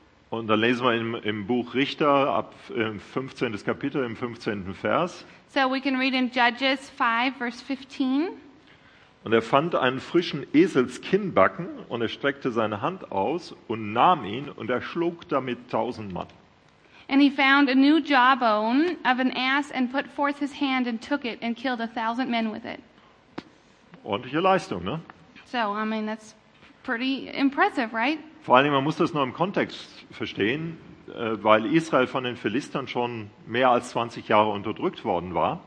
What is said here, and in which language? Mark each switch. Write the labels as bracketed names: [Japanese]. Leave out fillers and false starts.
[German] Und dann lesen wir im Buch Richter ab 15. Kapitel im 15. Vers. [English] So we can read in Judges 5 verse 15. [German] Und er fand einen frischen Eselskinnbacken und er streckte seine Hand aus und nahm ihn und er schlug damit 1000 Mann. [English] And he found a new jawbone of an ass and put forth his hand and took it and killed 1000 men with it. [German] Ordentliche Leistung, ne? [English] So, I mean, that's pretty impressive, right? [German] Vor allem, man muss das noch im Kontext verstehen, weil Israel von den Philistern schon mehr als 20 Jahre unterdrückt worden war.